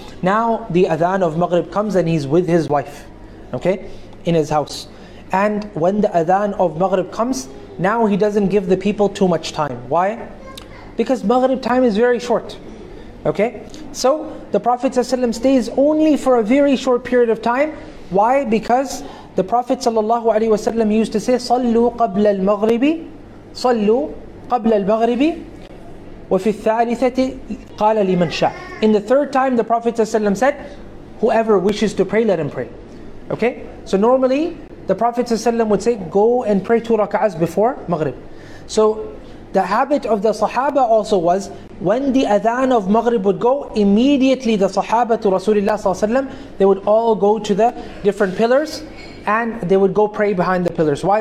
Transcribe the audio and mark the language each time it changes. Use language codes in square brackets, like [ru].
[en] Now the Adhan of Maghrib comes and he's with his wife, okay, in his house. And when the Adhan of Maghrib comes, now he doesn't give the people too much time. Why? Because Maghrib time is very short. Okay? So the Prophet ﷺ stays only for a very short period of time. Why? Because the Prophet ﷺ used to say, [ar] صَلُّوا قَبْلَ الْمَغْرِبِ صَلُّوا قَبْلَ الْمَغْرِبِ وَفِي الثَّالِثَةِ قَالَ لِمَنْ شَاءَ. [en] In the third time, the Prophet ﷺ said, whoever wishes to pray, let him pray. Okay? So normally, the Prophet ﷺ would say, go and pray two raka'ahs before Maghrib. So the habit of the Sahaba also was, when the Adhan of Maghrib would go, immediately the Sahaba to Rasulullah ﷺ, they would all go to the different pillars and they would go pray behind the pillars. Why?